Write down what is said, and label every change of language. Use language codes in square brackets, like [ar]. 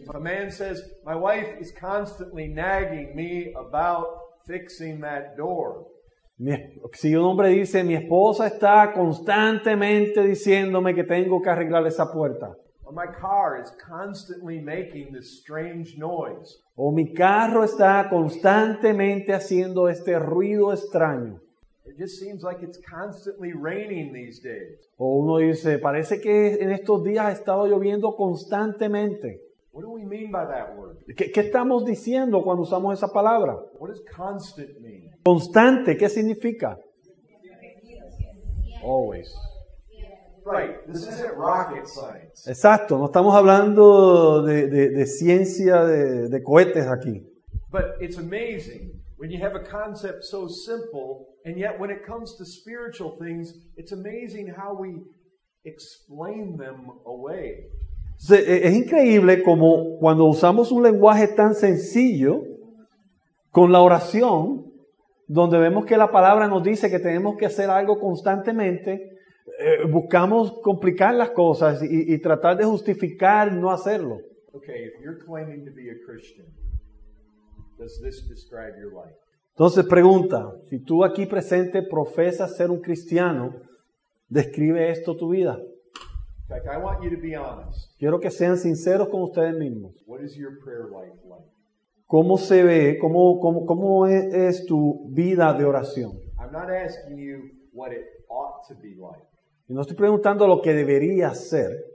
[en] A man says, my wife is constantly nagging me about fixing that door. [es] Si un hombre dice, mi esposa está constantemente diciéndome que tengo que arreglar esa puerta. [en] Or my car is constantly making this strange noise. [es] O mi carro está constantemente haciendo este ruido extraño. [en] It just seems like it's constantly raining these days. [es] O uno dice, parece que en estos días ha estado lloviendo constantemente. [en] What do we mean by that word? [es] ¿Qué estamos diciendo cuando usamos esa palabra? [en] What does constant mean? [es] Constante, ¿qué significa? [en] Always. Right, this isn't rocket science. [es] Exacto, no estamos hablando de ciencia de cohetes aquí. [en] But it's amazing when you have a concept so simple. And yet when it comes to spiritual things, it's amazing how we explain them away. [es] Es increíble como cuando usamos un lenguaje tan sencillo con la oración, donde vemos que la palabra nos dice que tenemos que hacer algo constantemente, buscamos complicar las cosas y tratar de justificar no hacerlo. [en] Okay, if you're claiming to be a Christian, does this describe your life? [es] Entonces pregunta, si tú aquí presente profesas ser un cristiano, ¿describe esto tu vida? [en] I want you to be honest. [es] Quiero que sean sinceros con ustedes mismos. [en] What is your prayer life like? [es] ¿Cómo se ve? ¿Cómo es tu vida de oración? [en] I'm not asking you what it ought to be like. [es] Y no estoy preguntando lo que debería ser.